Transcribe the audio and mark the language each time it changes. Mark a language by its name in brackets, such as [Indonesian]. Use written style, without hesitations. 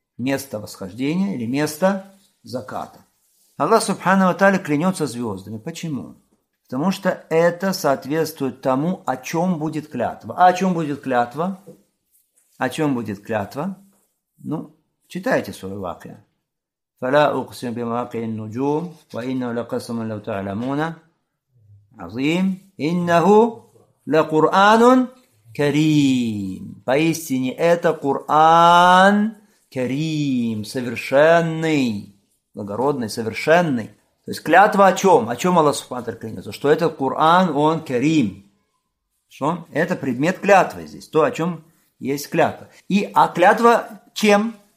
[Russian] Место восхождения или место заката. Аллах Субхану ва Тааля клянется звездами. Почему? Потому что это соответствует тому, о чем будет клятва. А о чем будет клятва? О чем будет клятва? Ну, читайте свою вакля. [Arabic] فلا أقسم بمواقع النجوم وإنه لقسم لو تعلمون عظيم إنه لقرآن كريم. [Russian] Поистине это Коран Карим, совершенный, благородный, совершенный. То есть клятва о чем? О чем Аллах Субхану Тааля клянется? Что этот Коран, он Карим. Что? Это предмет клятвы здесь, то, о чем есть клятва. И, а клятва чем?